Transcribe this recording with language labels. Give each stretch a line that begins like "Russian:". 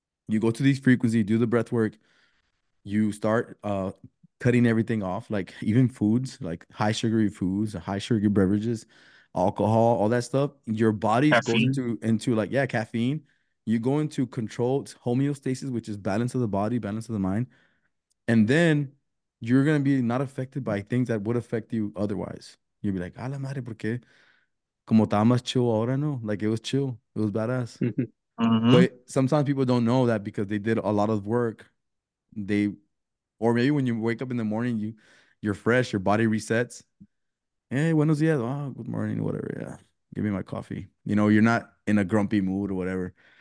English: You go to these frequencies, do the breath work, you start cutting everything off, like even foods, like high sugary foods, high sugary beverages. Alcohol, all that stuff, your body goes caffeine. into like, yeah, caffeine. You go into controlled homeostasis, which is balance of the body, balance of the mind. And then you're gonna be not affected by things that would affect you otherwise. You'd be like,
Spanish: a la madre, porque como estaba más chill ahora, no?
English: Like, it was chill. It was badass. But sometimes people don't know that because they did a lot of work. Or maybe when you wake up in the morning, you're fresh, your body resets. Hey,
Spanish: buenos días.
English: Oh, good morning, whatever. Yeah, give me my coffee. You know, you're not in a grumpy mood or whatever.